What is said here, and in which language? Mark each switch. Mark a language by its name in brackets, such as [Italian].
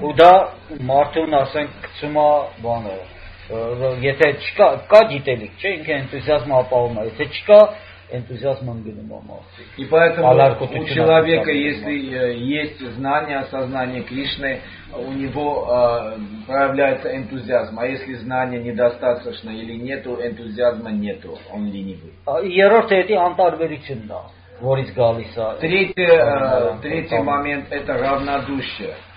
[Armenian] Куда мартун, ասենք, գցում է բանը. Եթե չկա, կա գիտելիք, չէ, ինքը энтузиазм ապահովում է, եթե չկա, энтузиазм անգնում է մարդը։ [Russian] И поэтому у человека, если есть знание, осознание Кришны, у него проявляется энтузиазм, а если знания недостаточно или нету, энтузиазма нету, он ленивый. [Armenian] Երրորդը դա անտարբերությունն է, որից գալիս է։ [Russian] Третий момент – это равнодушие.